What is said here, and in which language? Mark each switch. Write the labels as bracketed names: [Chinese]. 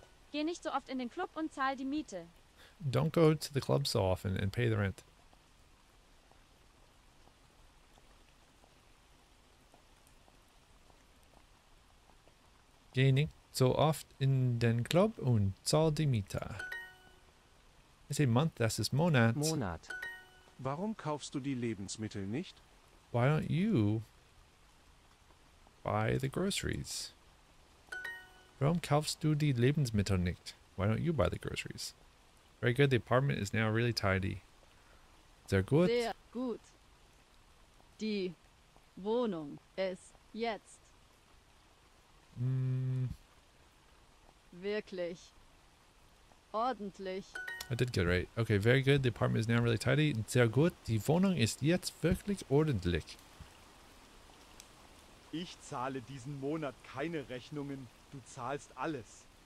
[German] Geh nicht so oft in den Club und zahl die Miete. [English] Don't go to the club so often and pay the rent. [German] Geh nicht so oft in den Club und zahl die Miete. [English] It's a month, [German] das ist Monat. Monat. Warum kaufst du die Lebensmittel nicht? [English] Why don't you buy the groceries? [German] Warum kaufst du die Lebensmittel nicht? [English] Why don't you buy the groceries? Very good, the apartment is now really tidy. [German] Sehr gut. Sehr gut. Die Wohnung ist jetzt. Wirklich. Ordentlich. [English] I did get it right. Okay, very good, the apartment is now really tidy. [German] Sehr gut, die Wohnung ist jetzt wirklich ordentlich. Ich zahle diesen Monat keine Rechnungen, du zahlst alles.